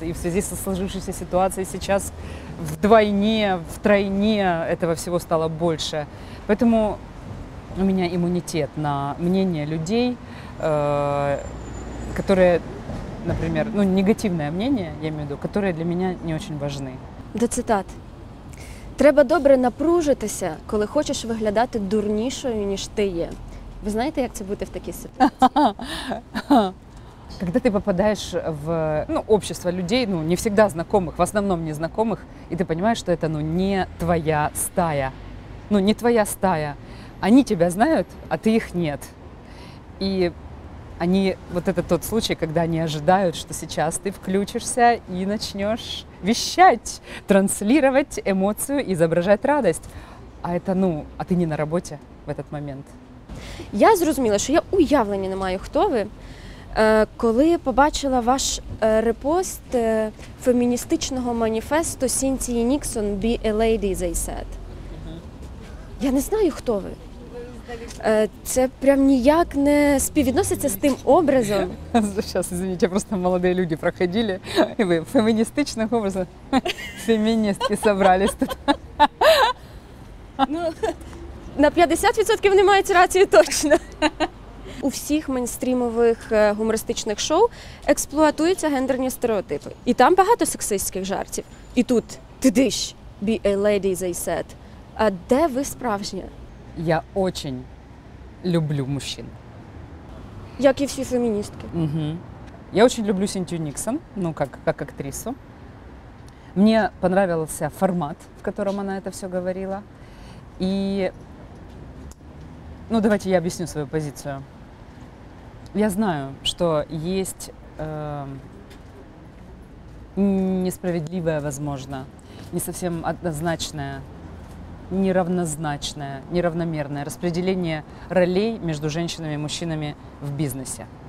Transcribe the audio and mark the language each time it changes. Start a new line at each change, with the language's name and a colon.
Russian: И в связи со сложившейся ситуацией сейчас вдвойне, втройне этого всего стало больше. Поэтому у меня иммунитет на мнение людей. которые, например, ну, негативное мнение, я имею в виду, которые для меня не очень важны.
Ukrainian: До цитат. Треба добре напружитися, коли хочеш виглядати дурнішою, ніж ти є. Ви знаєте, як це бути в такій ситуації?
Russian: Когда ты попадаешь в, ну, общество людей, ну, не всегда знакомых, в основном незнакомых, и ты понимаешь, что это, ну, не твоя стая. Ну, не твоя стая. Они тебя знают, а ты их нет. И они, вот это тот случай, когда они ожидают, что сейчас ты включишься и начнешь вещать, транслировать эмоцию, изображать радость. А это, ну, а ты не на работе в этот момент.
Ukrainian: Я зрозуміла, що я уявлення не маю, хто ви. Коли побачила ваш репост феміністичного маніфесту Сінтії Ніксон
English: «Be a lady, they said».
Ukrainian: Я не знаю, хто ви. Це прям ніяк не співвідноситься з тим образом. Зараз,
Russian: извините,
Ukrainian: просто молоді люди проходили, і ви феміністичного образу. Феміністки зібрались тут. Ну, на 50% вони мають рацію точно. У всіх мейнстрімових гумористичних шоу експлуатуються гендерні стереотипи. І там багато сексистських жартів. І тут «Ти диш,
English: be a lady, they said».
Ukrainian: А де ви справжня?
Russian: Я очень люблю мужчин.
Ukrainian: Як і всі феміністки. Угу.
Russian: Я очень люблю Сінтію Ніксон, ну, как актрису. Мне понравился формат, в котором она это все говорила. И, ну, давайте я объясню свою позицию. Я знаю, что есть несправедливое, возможно, не совсем однозначное, неравнозначное, неравномерное распределение ролей между женщинами и мужчинами в бизнесе.